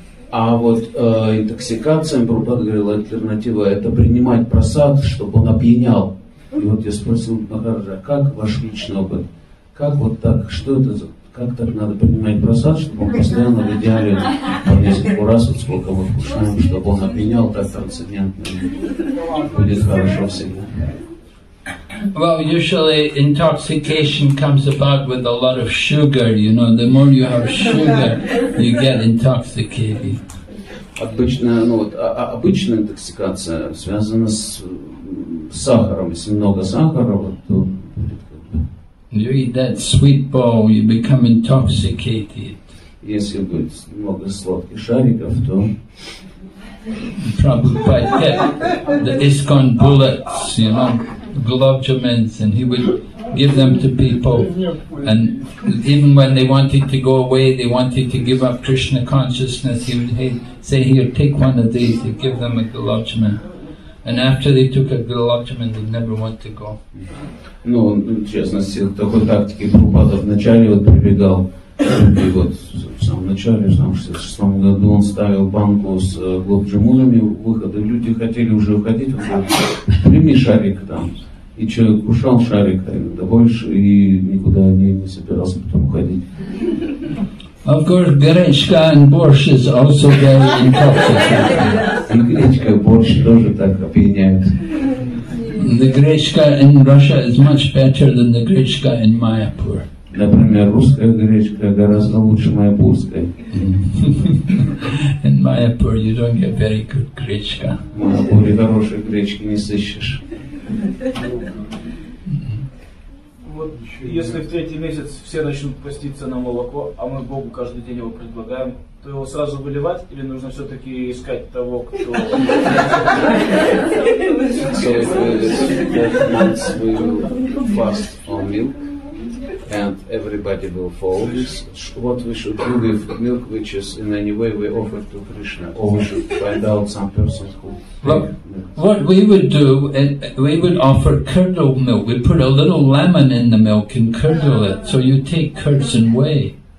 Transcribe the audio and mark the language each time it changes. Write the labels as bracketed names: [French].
[Russian] А вот интоксикациям, Прабхупада говорил, альтернатива – это принимать прасад, чтобы он опьянял. И вот я спросил Махараджа, как ваш личный опыт? Как вот так, что это за… Как так надо принимать прасад, чтобы он постоянно в идеале по несколько раз, вот сколько мы вкушаем, чтобы он опьянял так трансцендентно? Будет хорошо всегда. [English] Well, usually intoxication comes about with a lot of sugar, you know, the more you have sugar, you get intoxicated. [Russian] Обычно, ну вот, обычная интоксикация связана с сахаром, если много сахара, вот, то... [English] You eat that sweet ball, you become intoxicated. [Russian] Если будет много сладких шариков, то... [English] Prabhupada kept the ISKCON bullets, you know, globjamins, and he would give them to people. And even when they wanted to go away, they wanted to give up Krishna consciousness, he would say, here, take one of these, he'd give them a galachana. And after they took a galachana, they'd never want to go. [Russian] Ну, честности, такой тактики Прабхупада вначале вот прибегал. И вот в самом начале, в 66-м году он ставил банку с глобджамунами у выхода, и люди хотели уже уходить, он говорит, прими шарик там. И человек кушал шарик, да больше, и никуда не собирался потом уходить. [English] Of course, гречка and borscht is also very intoxicating. [Russian] И гречка, и борщ тоже так опьяняют. [English] The гречка in Russia is much better than the гречка in Mayapur. [Russian] Например, русская гречка гораздо лучше майапурской. [English] In Mayapur you don't get very good гречка. [Russian] В Майапуре хорошей гречки не сыщешь. Вот если в третий месяц все начнут поститься на молоко, а мы Богу каждый день его предлагаем, то его сразу выливать или нужно все-таки искать того, кто... [English] And everybody will follow this. What we should do with milk, which is in any way we offer to Krishna, or we should find out some person who. What we would do, we would offer curdled milk. We put a little lemon in the milk and curdle it. So you take curds and whey.